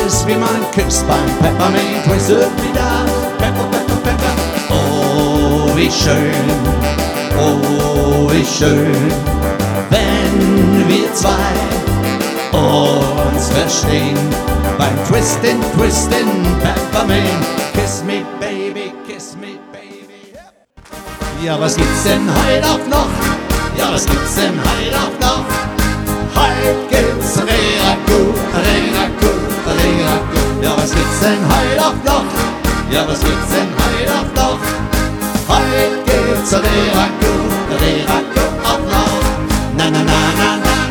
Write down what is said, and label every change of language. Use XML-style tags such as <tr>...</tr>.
<de>Ich weiß, wie man küsst beim Peppermint-Twist. Hüpfdi-da, Peppa-Peppa-Pepp. Oh, wie schön, oh, wie schön, wenn wir zwei uns verstehen beim Twistin' Peppermint.</de> <en>Kiss me, baby, kiss me, baby.</en> <de>Ja, was gibt's denn heute auch noch? Ja, was gibt's denn heute auch noch? Heute gibt's Reraku, Reraku, Reraku. Ja, was gibt's denn heute auch noch? Ja, was gibt's denn heute auch noch? Heute gibt's Reraku, Reraku auch noch. Na, na, na, na, na.</de>